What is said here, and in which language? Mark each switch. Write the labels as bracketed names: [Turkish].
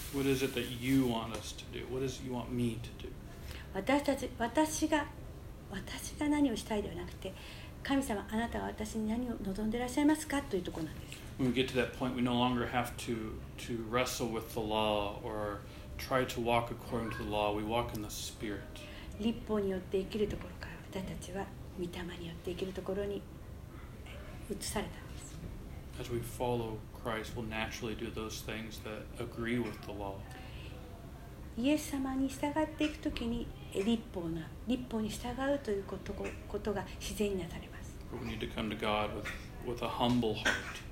[English] What is it that you want us to do? What is it you want me to do? [Japanese] 私が何をしたいではなくて、神様、あなたは私に何を望んでいらっしゃいますかというところなんです。 [English] When we get to that point, we no longer have to wrestle with the law or try to walk according to the law. We walk in the Spirit. [Japanese] 律法によって生きるところから私たちは御霊によって生きるところに移されたんです。 [English] As we follow Christ, we'll naturally do those things that agree with the law. [Japanese] イエス様に従っていくときに律法に従うということが自然になされます。 [English] But we need to come to God with a humble heart.